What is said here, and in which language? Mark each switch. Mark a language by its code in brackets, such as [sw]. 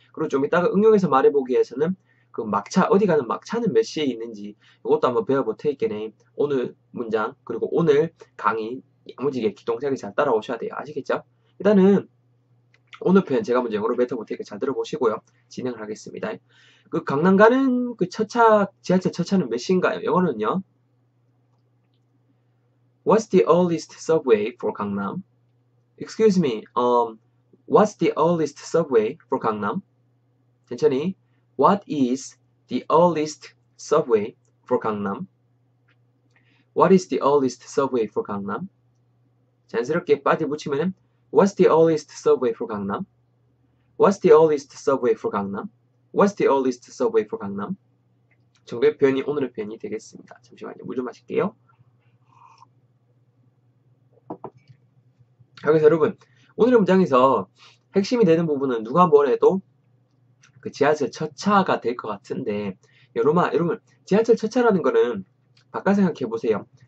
[ko] 그리고 좀 이따가 응용해서 말해보기 위해서는 그 막차 어디 가는 막차는 몇 시에 있는지 이것도 한번 배워볼 테니깐 오늘 문장 그리고 오늘 강의 야무지게 기동차게 잘 따라오셔야 돼요. 아시겠죠? 일단은 오늘 표현 제가 먼저 영어로 뱉어볼 테니까 잘 들어보시고요. 진행을 하겠습니다. 그 강남 가는 그 지하철 첫차는 몇 시인가요? 영어는요. [en] What's the earliest subway for 강남? Excuse me. What's the earliest subway for 강남? [ko] 천천히. [en] What is the earliest subway for 강남? What is the earliest subway for 강남? 자연스럽게 빠져 붙이면은 What's the earliest subway for 강남? What's the earliest subway for 강남? What's the earliest subway for 강남? [ko] 정도의 표현이 오늘의 표현이 되겠습니다. 잠시만요. 물좀 마실게요. 여기서 여러분, 오늘의 문장에서 핵심이 되는 부분은 누가 뭐래도 그 지하철 첫차가 될것 같은데, 여러분, 지하철 첫차라는 거는 바꿔 생각해 보세요.